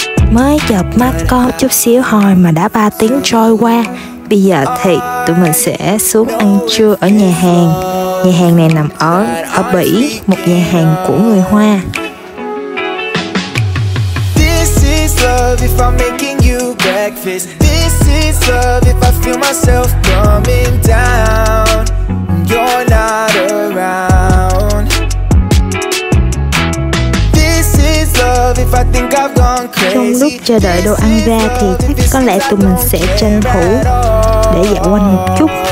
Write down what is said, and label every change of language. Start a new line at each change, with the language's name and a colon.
Vietnamese: Mới chợp mắt có chút xíu hồi mà đã 3 tiếng trôi qua. Bây giờ thì tụi mình sẽ xuống ăn trưa ở nhà hàng. Nhà hàng này nằm ở Bỉ, một nhà hàng của người Hoa.
English: This is love if I'm making you breakfast. This is love if I feel myself coming down. You're not around. This is love if I think I've gone crazy.
Vietnamese: Trong lúc chờ đợi đồ ăn ra thì có lẽ tụi mình sẽ tranh thủ để dạo quanh một chút.